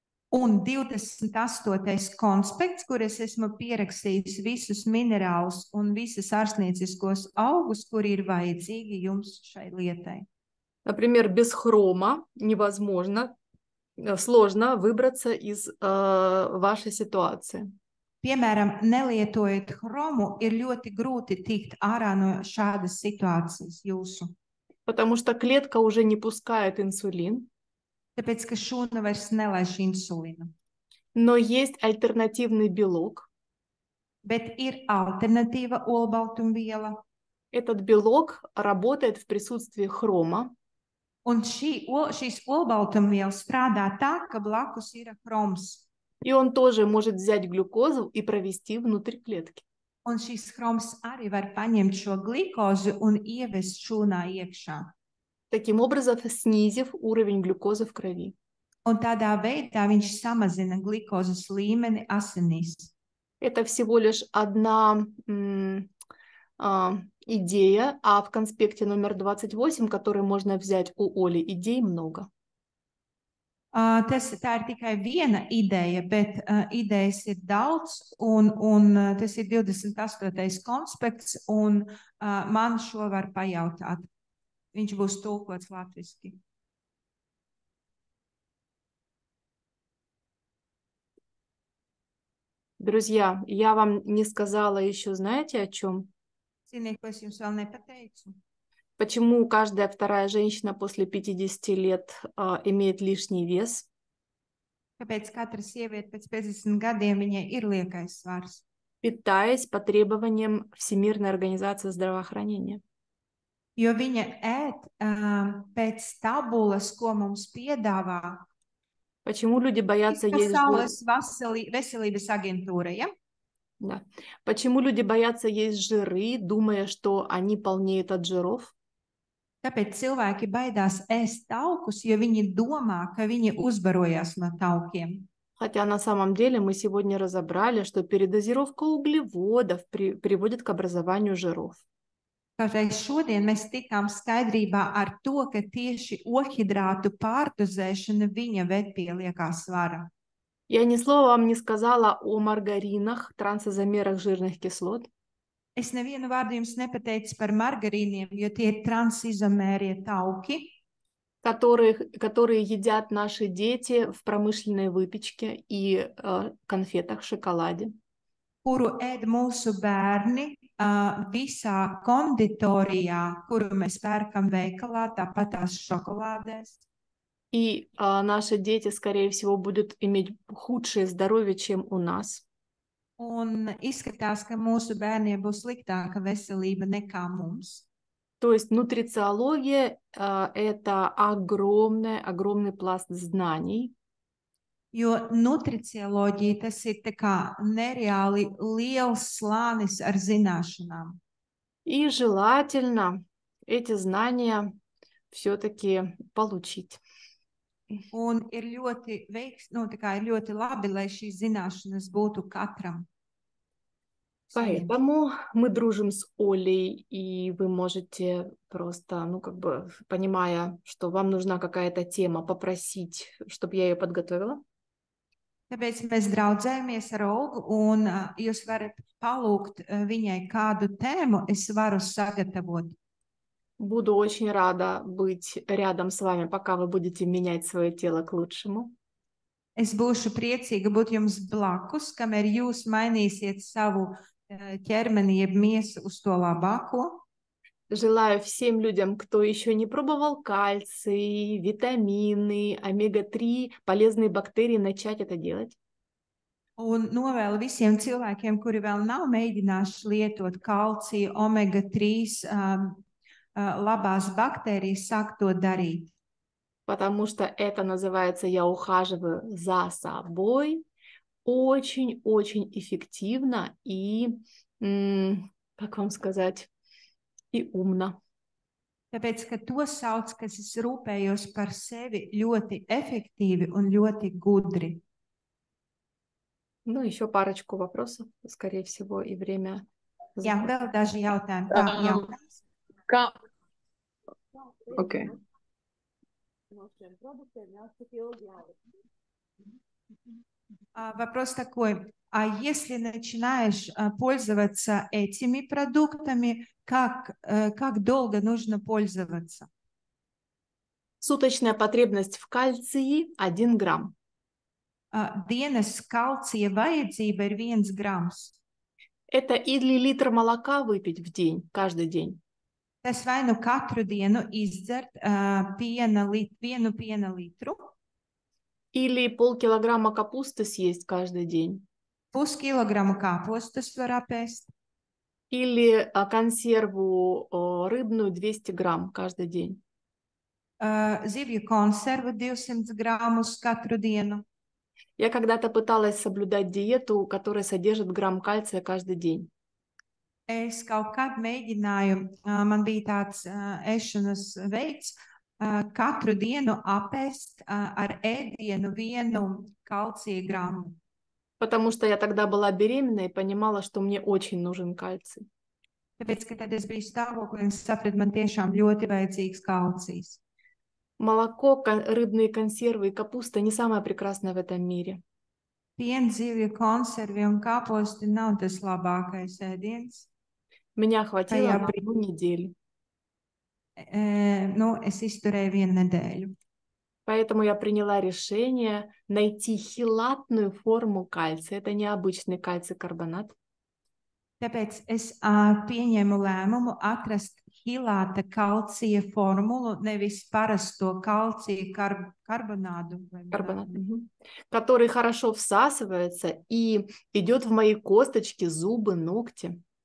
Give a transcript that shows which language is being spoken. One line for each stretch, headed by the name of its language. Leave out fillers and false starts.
Latvian: Un 28. Konspekts, kur es esmu pierakstījis visus minerālus un visus ārstnieciskos augus, kuri ir vajadzīgi jums šai lietai.
Russian: Например, без хрома невозможно, сложно выбраться из вашей ситуации.
Latvian: Piemēram, nelietojot хрому, ir ļoti grūti tikt ārā no šādas situācijas jūsu.
Russian: Потому что клетка уже не пускает инсулин.
Latvian: Tāpēc, ka šūna vairs nelaiž insulīnu.
Russian: Но есть альтернативный белок.
Latvian: Bet ir alternatīva olbaltumviela.
Russian: Этот белок работает в присутствии хрома.
Latvian: Un šīs olbaltumvielas strādā tā, ka blakus ir хромs.
Russian: И он тоже может взять глюкозу и провести внутрь клетки.
Latvian: Un šīs хромs arī var paņemt šo glikozu un ievest šūnā iekšā.
Russian: Таким образом, снизив уровень глюкозы в крови.
Latvian: Un tādā veidā viņš samazina glikozes līmeni asinīs.
Russian: Это всего лишь одна идея, а в конспекте номер 28, который можно взять у Оли, идей много.
Latvian: Tā ir tikai viena ideja, bet idejas ir daudz, un tas ir 28. Konspekts, un man šo var pajautāt. Viņš būs tulkots latviski.
Russian: Друзья, я вам не сказала еще, знаете, о чем?
Latvian: Cienīgi, ko es jums vēl nepateicu.
Russian: Почему каждая вторая женщина после 50 лет имеет лишний вес?
Latvian: Kāpēc katra sieviete pēc 50 gadiem viņai ir liekais svars?
Russian: Питаясь по требованиям Всемирной организации здравоохранения.
Latvian: Jo viņa ēd pēc tabulas, ko mums piedāvā.
Russian: Почему люди боятся есть
Latvian: Pasaules veselības agentūra, ja?
Russian: Да. Почему люди боятся есть жиры, думая, что они полнеют от жиров?
Latvian: Tāpēc cilvēki baidās ēst taukus, jo viņi domā, ka viņi uzbarojas no taukiem.
Russian: Хотя на самом деле мы сегодня разобрали, что передозировка углеводов приводит к образованию жиров.
Latvian: Kāpēc šodien mēs tikām skaidrībā ar to, ka tieši ohidrātu pārdozēšana viņa ved pie liekā svara.
Russian: Я ни слова вам не сказала о маргаринах, трансизомерах жирных кислот.
Latvian: Es nevienu vārdu jums nepateicu par margarīniem, jo tie ir transizomērie tauki.
Russian: Которые едят наши дети в промышленной выпечке и конфетах, шоколаде.
Latvian: Kuru ēd mūsu bērni visā konditorijā, kuru mēs pērkam veikalā, tāpat tās šokolādēs.
Russian: И наши дети, скорее всего, будут иметь худшее здоровье, чем у нас.
Latvian: Un izskatās, ka mūsu bērniem būs sliktāka veselība nekā mums.
Russian: То есть нутрициология это огромный пласт знаний.
Latvian: Jo nutricioloģija tas ir tā kā nereāli liels slānis ar zināšanām.
Russian: И желательно эти знания всё-таки получить.
Latvian: Un ir ļoti veiks, nu, tā kā ir ļoti labi, lai šīs zināšanas būtu katram.
Russian: Поэтому мы дружим с Олей, и вы можете просто, ну, как бы, понимая, что вам нужна какая-то тема, попросить, чтобы я ее подготовила.
Latvian: Tāpēc mēs draudzējāmies ar Olgu, un jūs varat palūgt viņai, kādu tēmu es varu sagatavot.
Russian: Буду очень рада быть рядом с вами, пока вы будете менять свое тело к лучшему.
Latvian: Es būšu priecīga būt jums blakus, kamēr jūs mainīsiet savu ķermeni jeb miesu uz to labāko.
Russian: Желаю всем людям, кто еще не пробовал кальций, витамины, омега-3, полезные бактерии, начать это делать.
Latvian: Un novēlu visiem cilvēkiem, kuri vēl nav mēģinājuši lietot kalciju, omega-3, labās baktērijas, sāk to darīt.
Russian: Потому что это называется «я ухаживаю за собой» очень-очень эффективно и, как вам сказать, и умно.
Latvian: Tāpēc, ka to sauc, kas es rūpējos par sevi, ļoti efektīvi un ļoti gudri.
Russian: Ну, еще парочку вопросов, скорее всего, и время.
Latvian: Jā, vēl daži jautājumi.
English: Okay.
Russian: Вопрос такой. А если начинаешь пользоваться этими продуктами, как долго нужно пользоваться? Суточная потребность в кальции 1 грамм.
Latvian: Dienas kalcija vajadzība ir 1 grams.
Russian: Это или литр молока выпить в день, каждый день.
Latvian: Tas vai nu katru dienu izdzert vienu piena litru.
Russian: Или полкилограмма капусты съесть каждый день.
Latvian: Pus kilogramu kāpostas var apēst.
Russian: Или консерву рыбную 200 грамм каждый день.
Latvian: Zivju konservu 200 grammus katru dienu.
Russian: Я когда-то пыталась соблюдать диету, которая содержит грамм кальция каждый день.
Latvian: Es kaut kad mēģināju, man bija тāds ēšanas veids, katru dienu apēst ar ēdienu vienu kalcija grammu.
Russian: Потому что я тогда была беременна и понимала, что мне очень нужен кальций.
Latvian: Tāpēc, ka tad es biju stāvoklī, un sapratu, man tiešām ļoti vajadzīgs kalcijs.
Russian: Молоко, рыбные консервы и капуста не самое прекрасное в этом мире. Пен, зивы, консервы и капусты не самое лучшее сэдинс. Меня хватило на одну неделю.
Latvian: Ну, es izturēju vienu nedēļu.
Russian: Поэтому я приняла решение найти хилатную форму кальция. Это необычный кальций-карбонат.
Latvian: Tāpēc es pieņēmu lēmumu atrast hilāta kalcija formulu, nevis parasto kalcija karbonādu.
Russian: Karbonādu, Который хорошо всасывается и идёт в мои косточки, зубы, ногти.